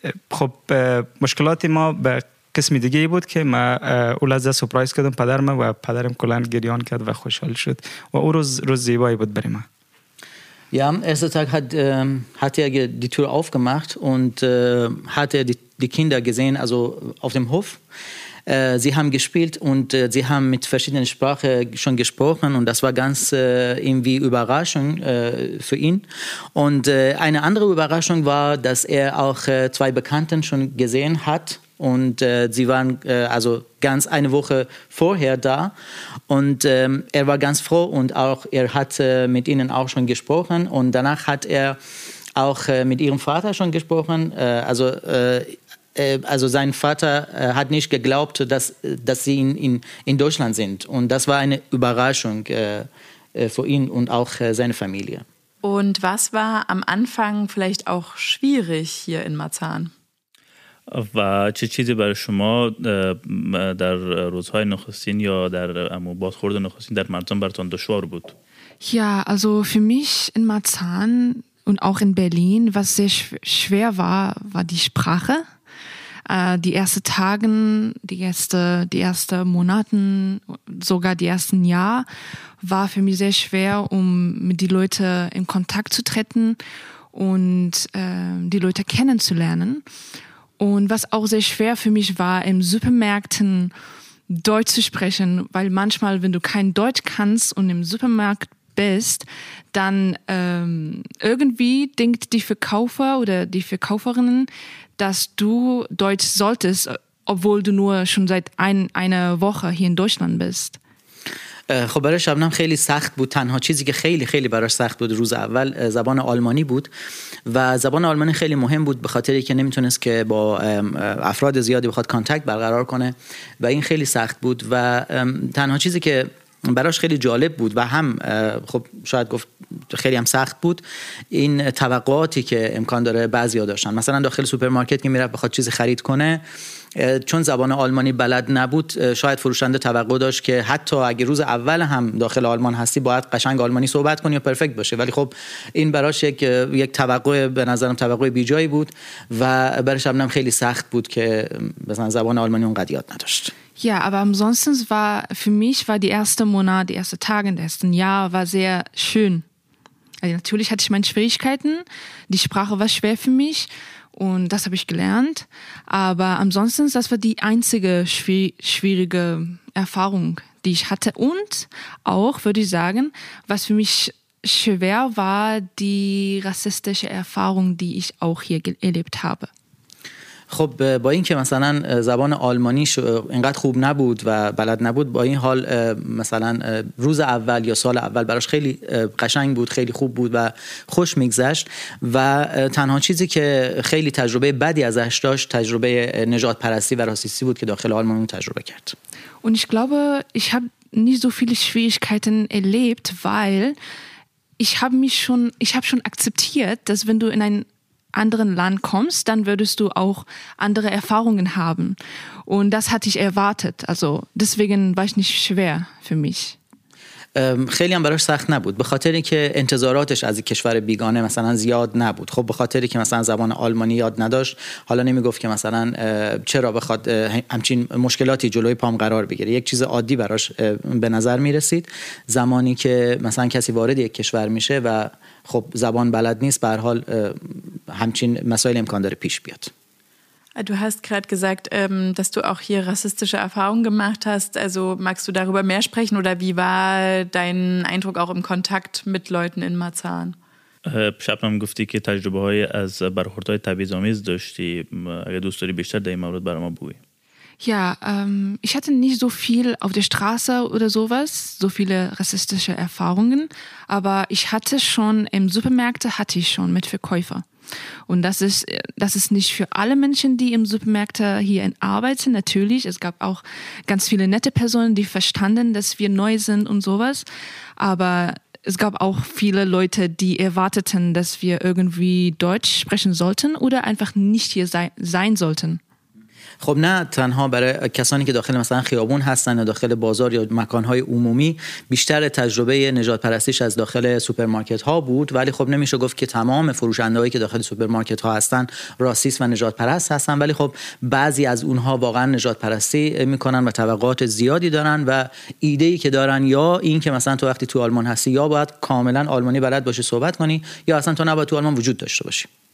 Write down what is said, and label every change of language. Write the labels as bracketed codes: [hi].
[fa] خب مشکلات ما به قسمی دیگه بود که من اول از سورپرایز کردم پدرم و پدرم کلا گریان کرد و خوشحال شد و اون روز زیبایی بود برای من. [de] Ja, am ersten Tag hat er die Tür aufgemacht und hat er die Kinder gesehen, also auf dem Hof. Sie haben gespielt und sie haben mit verschiedenen Sprachen schon gesprochen und das war ganz irgendwie Überraschung für ihn. Und eine andere Überraschung war, dass er auch zwei Bekannten schon gesehen hat und sie waren also ganz eine Woche vorher da und er war ganz froh und auch er hat mit ihnen auch schon gesprochen und danach hat er auch mit ihrem Vater schon gesprochen, also sein Vater hat nicht geglaubt, dass sie in Deutschland sind. Und das war eine Überraschung für ihn und auch seine Familie. Und was war am Anfang vielleicht auch schwierig hier in Marzahn? [fa] و چه چیزی برای شما در روزهای نخستین یا در بازخورد نخستین در مرزان برتان دشوار بود؟ [de] Ja, also für mich in Marzahn und auch in Berlin, was sehr schwer war die Sprache. Die ersten Tage, die ersten Monate, sogar die ersten Jahr war für mich sehr schwer, um mit den Leuten in Kontakt zu treten und die Leute kennenzulernen. Und was auch sehr schwer für mich war, im Supermärkten Deutsch zu sprechen, weil manchmal, wenn du kein Deutsch kannst und im Supermarkt bist, dann irgendwie denkt die Verkäufer oder die Verkäuferinnen, dass du Deutsch solltest, obwohl du nur schon seit einer Woche hier in Deutschland bist. [fa] خب برای شبنم خیلی سخت بود. تنها چیزی که خیلی خیلی براش سخت بود روز اول زبان آلمانی بود و زبان آلمانی خیلی مهم بود به خاطر اینکه نمیتونست که با افراد زیادی بخواد کانتکت برقرار کنه و این خیلی سخت بود و تنها چیزی که براش خیلی جالب بود و هم خب شاید گفت خیلی هم سخت بود این توقعاتی که امکان داره بعضیا داشتن، مثلا داخل سوپرمارکت که میره بخواد چیزی خرید کنه چون زبان آلمانی بلد نبود شاید فروشنده توقع داشت که حتی اگه روز اول هم داخل آلمان هستی باید قشنگ آلمانی صحبت کنی و پرفکت باشه، ولی خب این براش یک توقع به نظرم توقع بی جایی بود و براش هم خیلی سخت بود که مثلا زبان آلمانی اونقدر یاد نداشت. [de] Ja, aber ansonsten war für mich war die erste Monat, die ersten Tage, das erste Jahr war sehr schön. Also natürlich hatte ich meine Schwierigkeiten, die Sprache war schwer für mich und das habe ich gelernt. Aber ansonsten, das war die einzige schwierige Erfahrung, die ich hatte. Und auch, würde ich sagen, was für mich schwer war, die rassistische Erfahrung, die ich auch hier erlebt habe. [fa] خب با این که مثلا زبان آلمانیش اینقدر خوب نبود و بلد نبود، با این حال مثلا روز اول یا سال اول براش خیلی قشنگ بود، خیلی خوب بود و خوش میگذشت و تنها چیزی که خیلی تجربه بدی ازش داشت تجربه نژاد پرستی و راسیستی بود که داخل آلمان تجربه کرد. و [de] ich glaube ich habe nicht so viele Schwierigkeiten erlebt, weil ich habe schon akzeptiert, dass wenn du in ein anderen Land kommst, dann würdest du auch andere Erfahrungen haben. Und das hatte ich erwartet. Also deswegen war ich nicht schwer für mich. [fa] خیلی هم براش سخت نبود به خاطر اینکه انتظاراتش از کشور بیگانه مثلا زیاد نبود خب به خاطر اینکه مثلا زبان آلمانی یاد نداشت حالا نمیگفت که مثلا چرا بخواد همچین مشکلاتی جلوی پام قرار بگیره یک چیز عادی براش به نظر میرسید زمانی که مثلا کسی وارد یک کشور میشه و خب زبان بلد نیست به هر حال همچین مسائل امکان داره پیش بیاد. [de] Du hast gerade gesagt, dass du auch hier rassistische Erfahrungen gemacht hast. Also magst du darüber mehr sprechen oder wie war dein Eindruck auch im Kontakt mit Leuten in Marzahn? [fa] شبنم گفتی که تجربه های از برخورد های تبعیض‌آمیز داشتی. اگه دوست داری بیشتر در این مورد برام بگی. [de] Ja, ich hatte nicht so viel auf der Straße oder sowas, so viele rassistische Erfahrungen, aber ich hatte schon im Supermärkte hatte ich schon mit Verkäufer. Und das ist nicht für alle Menschen, die im Supermärkte hier arbeiten, natürlich. Es gab auch ganz viele nette Personen, die verstanden, dass wir neu sind und sowas. Aber es gab auch viele Leute, die erwarteten, dass wir irgendwie Deutsch sprechen sollten oder einfach nicht hier sein sollten. [fa] خب نه تنها برای کسانی که داخل مثلا خیابون هستن یا داخل بازار یا مکانهای عمومی بیشتر تجربه نژادپرستیش از داخل سوپرمارکت ها بود ولی خب نمیشه گفت که تمام فروشنده هایی که داخل سوپرمارکت ها هستن راسیست و نژادپرست هستن ولی خب بعضی از اونها واقعا نژادپرستی میکنن و توقعات زیادی دارن و ایده ای که دارن یا این که مثلا تو وقتی تو آلمان هستی یا باید کاملا آلمانی بلد باشی صحبت کنی یا اصلا تو نباید تو آلمان وجود داشته باشی.